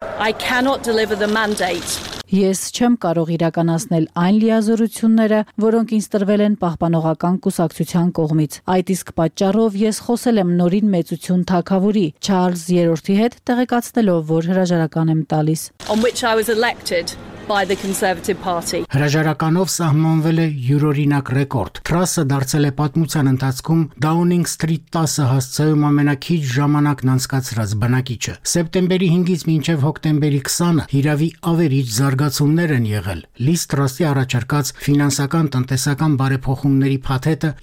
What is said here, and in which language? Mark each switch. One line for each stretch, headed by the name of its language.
English: I cannot deliver the mandate.
Armenian: Ես չեմ կարող իրականացնել այն լիազորությունները, որոնք ինձ տրվել են պահպանողական կուսակցության կողմից։ Այդ իսկ պատճառով ես խոսել եմ նորին մեծություն թագավորի Չարլզ 3-ի հետ, տեղեկացնելով, որ հրաժարական եմ տալիս։
English: On which I was elected by the Conservative Party.
Armenian: Հրաժարականով սահմանվել է յուրօրինակ ռեկորդ։ Թրասը դարձել է պատմության ընթացքում Downing Street 10 հասցեում ամենաքիչ ժամանակն անցկացրած բնակիչը։ Սեպտեմբերի 5-ից մինչև հոկտեմբերի 20-ը հիրավի ավերիչ զարգացումներ են եղել։ Լիզ Թրասի առաջարկած ֆինանսական տնտեսական բարեփոխումների փաթեթը